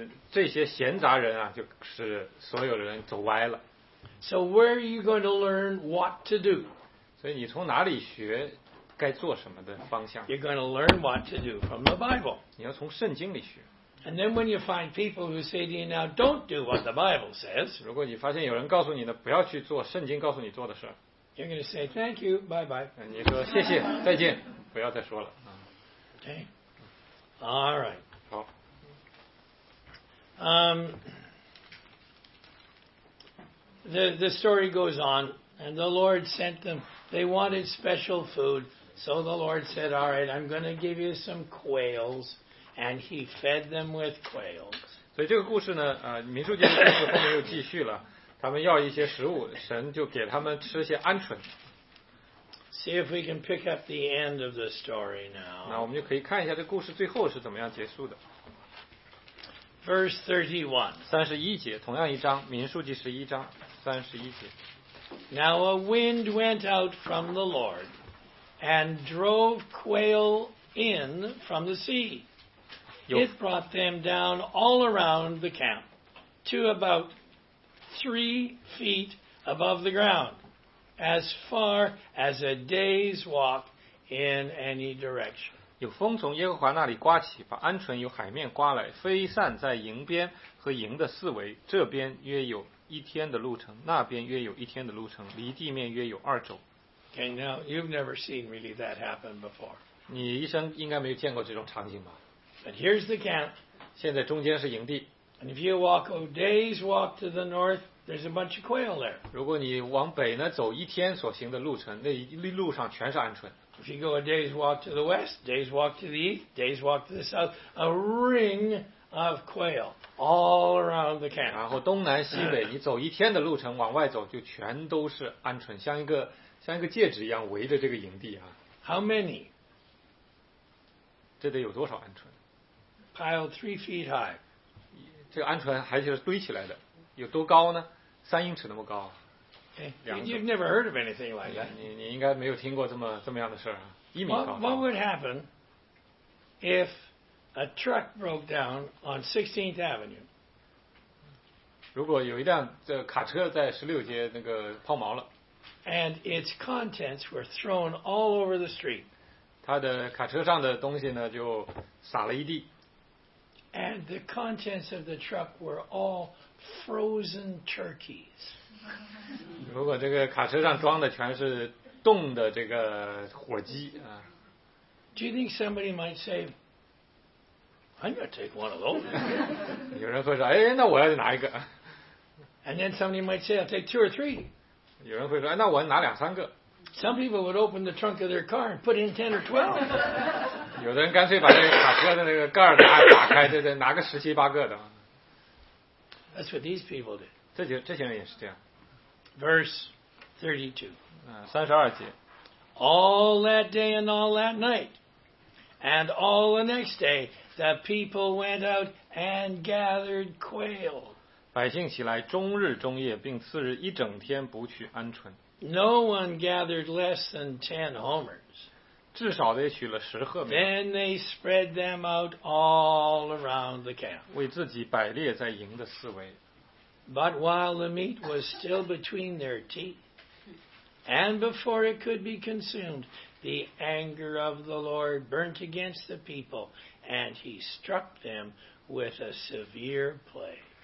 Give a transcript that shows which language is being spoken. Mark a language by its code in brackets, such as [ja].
[zh] 这些闲杂人啊，就是所有的人走歪了。 [en] So where are you going to learn what to do? [zh] 所以你从哪里学该做什么的方向？ [en] You're going to learn what to do from the Bible. [zh] 你要从圣经里学。 [en] And then when you find people who say to you now, don't do what the Bible says. [zh] 如果你发现有人告诉你呢，不要去做圣经告诉你做的事。 [en] You're going to say thank you, bye bye. [zh] 你说谢谢，再见，不要再说了。 [en] Okay. All right. [zh] 好。 [en] The story goes on, and the Lord sent them. They wanted special food, so the Lord said, "All right, I'm going to give you some quails," and He fed them with quails. [zh] 所以这个故事呢，民数记的故事后面又继续了。他们要一些食物，神就给他们吃些鹌鹑。 [en] See if we can pick up the end of the story now. [zh] 那我们就可以看一下这故事最后是怎么样结束的。 [en] Verse 31. [zh] 31节，同样一章，民数记11章31节。 [en] Now a wind went out from the Lord and drove quail in from the sea. It brought them down all around the camp to about 3 feet above the ground, as far as a day's walk in any direction. [zh] 有风从耶和华那里刮起，把鹌鹑由海面刮来，飞散在营边和营的四围，这边约有一天的路程，那边约有一天的路程，离地面约有二肘。 [en] Okay, now you've never seen really that happen before. [zh] 你一生应该没有见过这种场景吧？ [en] But here's the camp. [zh] 现在中间是营地。 [en] And if you walk a day's walk to the north, there's a bunch of quail there. [zh] 如果你往北呢，走一天所行的路程，那一路上全是鹌鹑。 [en] If you go a day's walk to the west, day's walk to the east, day's walk to the south, a ring of quail all around the camp. [zh] 然后东南西北，你走一天的路程往外走，就全都是鹌鹑，像一个戒指一样围着这个营地啊。 [en] How many? [zh] 这得有多少鹌鹑？ [en] Piled 3 feet high. [zh] 这个鹌鹑还是堆起来的，有多高呢？ 3英尺那么高。 [en] You've never heard of anything like that. [zh] 你应该没有听过这么样的事啊，一米高。 [en] What would happen if a truck broke down on 16th Avenue? [zh] 如果有一辆这卡车在16街那个抛锚了。 [en] And its contents were thrown all over the street. [zh] 它的卡车上的东西呢就撒了一地。 [en] And the contents of the truck were all frozen turkeys. [zh] 如果这个卡车上装的全是冻的这个火鸡啊。 [en] Do you think somebody might say, I'm going to take one of those? [zh] 有人会说，哎，那我要拿一个。 [en] And then somebody might say, I'll take two or three. [zh] 有人会说，哎，那我拿两三个。 [en] Some people would open the trunk of their car and put in 10 or 12. [zh] 有的人干脆把这个卡车的那个盖儿打开，对，拿个17、18个的。 [en] That's what these people did. [zh] 这些人也是这样。 [en] Verse [zh] 32. 32节。 [en] All that day and all that night, and all the next day, the people went out and gathered quail. [zh] 百姓起来终日终夜并次日一整天不去鹌鹑。 [en] No one gathered less than 10 homers. [zh] 至少得取了十禾苗。 [en] Then they spread them out all around the camp. [zh] 为自己摆列在营的四围。 [en] But while the meat was still between their teeth, and before it could be consumed, the anger of the Lord burnt against the people, and he struck them with a severe plague.